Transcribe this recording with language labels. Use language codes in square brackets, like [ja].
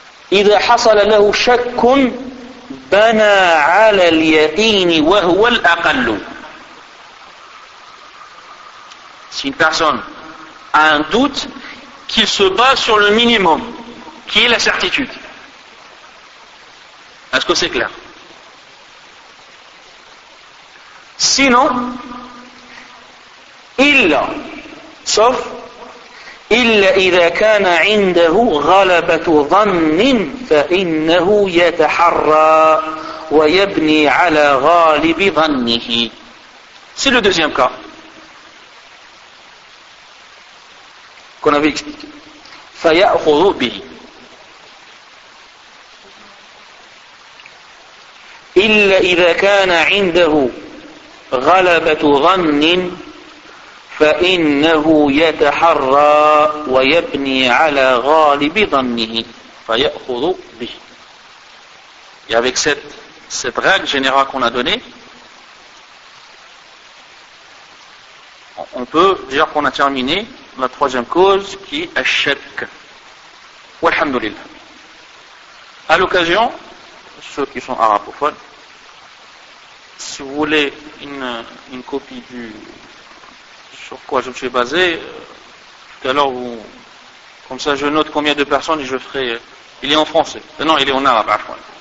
[ar] dit. إذا حصل له شك بنى على اليقين وهو الأقل. [fr] Si une personne a un doute, qu'il se base sur le minimum, qui est la certitude. Est-ce que c'est clair? Sinon, [ar] إلا, [fr] sauf, [ar] إلا إذا كان عنده غلبة ظن فإنه يتحرى ويبني على غالب ظنه. [fr] C'est le deuxième cas qu'on avait expliqué. [ar] فيأخذ به. إلا إذا كان عنده غلبة ظن فإنه يتحرى ويبني على غالب ظنه فيأخذ به. [fr] Et avec cette règle générale qu'on a donnée, on peut dire qu'on a terminé la troisième cause qui est ash-shakk. Walhamdulillah. À l'occasion, ceux qui sont arabophones, si vous voulez une copie du sur quoi je me suis basé, tout à l'heure, vous, comme ça je note combien de personnes et je ferai. Il est en français. Non, il est en arabe, afouane.